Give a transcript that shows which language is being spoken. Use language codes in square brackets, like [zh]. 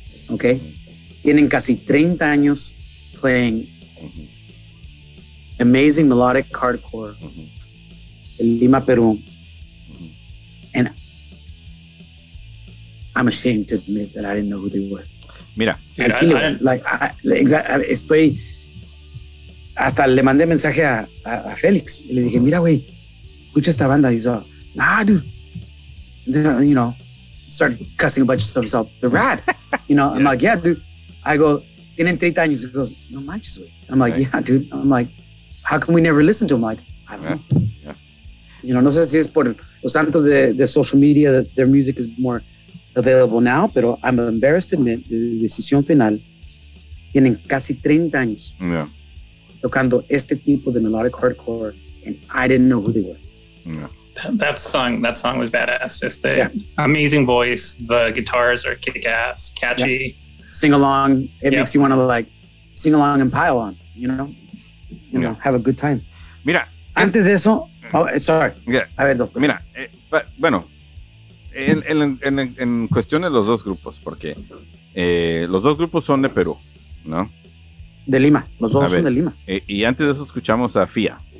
[en] Okay? [es] Tienen casi 30 años [en] playing amazing melodic hardcore in Lima, Peru. And I'm ashamed to admit that I didn't know who they were. [es] Mira, estoy hasta le mandé mensaje a Félix y le dije, mira, güey, escucha esta banda. Y dice, [en] ah, dude, then, you know, started cussing a bunch of stuff. So the rad, you know, I'm like, yeah, dude. I go, [es] tienen 30 años. [en] He goes, [es] no manches, güey. [en] I'm like, yeah, dude. I'm like, how come we never listen to him? Like, I don't know. You know, [es] no sé si es por los santos de [en] social media that their music is more available now, pero I'm embarrassed to admit, the decisión final, [es] tienen casi 30 años tocando este tipo de [en] melodic hardcore, and I didn't know who they were. That song was badass. Este amazing voice, the guitars are kick-ass, catchy. Yeah. Sing along, it makes you want to like sing along and pile on, you know? You know, have a good time. [es] Mira, antes de eso, A ver, doctor. Mira, bueno, en cuestión de los dos grupos, porque los dos grupos son de Perú, ¿no? De Lima, los dos son de Lima. Y antes de eso escuchamos a FIA.